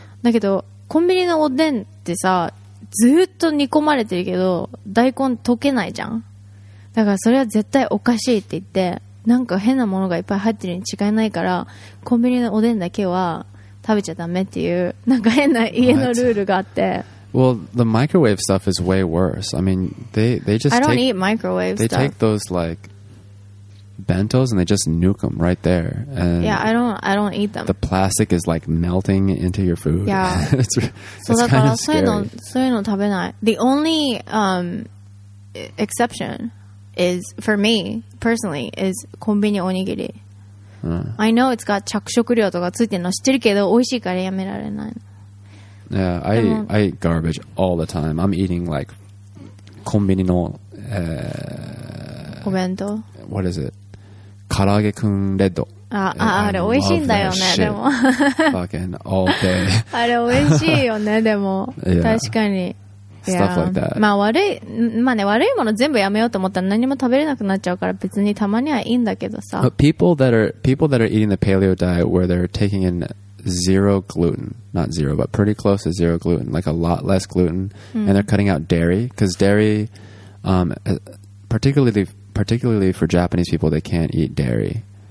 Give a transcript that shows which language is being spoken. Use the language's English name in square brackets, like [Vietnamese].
[Japanese] だけどコンビニのおでんってさずっと煮込まれてるけど大根溶けないじゃんだからそれは絶対おかしいって言ってなんか変なものがいっぱい入ってるに違いないからコンビニのおでんだけは食べちゃダメっていうなんか変な家のルールがあって、 [English] What? Well, the microwave stuff is way worse. I mean, they just I don't eat microwave stuff. They take those like bentos and they just nuke them right there. And yeah, I don't eat them. The plastic is like melting into your food. Yeah. it's kind of scary. [Japanese] そういうの食べない。 [English] The only exception is, for me, personally, is コンビニおにぎり。 I know it's got [Japanese] 着色料とかついてるの知ってるけど、美味しいからやめられない。 [English] Yeah, I eat garbage all the time. I'm eating like [Japanese] コンビニの、お弁当。 [English] What is it? Karaage kun red. [Japanese] Ah, あれ美味しいんだよね。でも [English] fucking all day. [Japanese] あれ美味しいよね。でも確かに [English] stuff like that. [Japanese] まあ悪い、まあね悪いもの全部やめようと思ったら何も食べれなくなっちゃうから別にたまにはいいんだけどさ。 [English] But people that are eating the paleo diet where they're taking in zero gluten, not zero, but pretty close to zero gluten, like a lot less gluten, and they're cutting out dairy because dairy, particularly for Japanese people, they can't eat dairy.